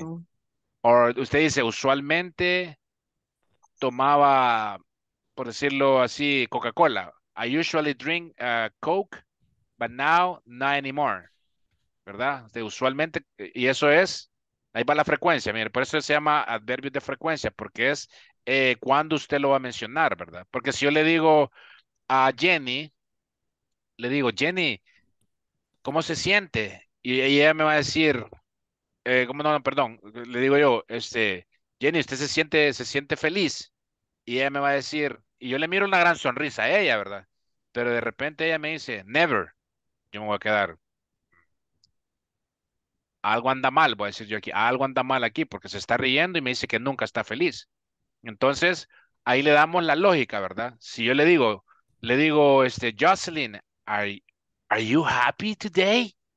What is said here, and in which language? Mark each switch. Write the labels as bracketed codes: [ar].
[es] O usted dice, usualmente tomaba, por decirlo así, Coca-Cola. [en] I usually drink Coke, but now not anymore. [es] ¿Verdad? Usualmente, y eso es, ahí va la frecuencia. Mire, por eso se llama adverbio de frecuencia, porque es cuando usted lo va a mencionar, ¿verdad? Porque si yo le digo a Jenny, le digo, Jenny, ¿cómo se siente? Y ella me va a decir, le digo yo, Jenny, ¿usted se siente feliz? Y ella me va a decir, y yo le miro una gran sonrisa a ella, ¿verdad? Pero de repente ella me dice, never. Yo me voy a quedar. Algo anda mal, voy a decir yo aquí. Algo anda mal aquí porque se está riendo y me dice que nunca está feliz. Entonces, ahí le damos la lógica, ¿verdad? Si yo le digo, Jocelyn, [en] are you happy today?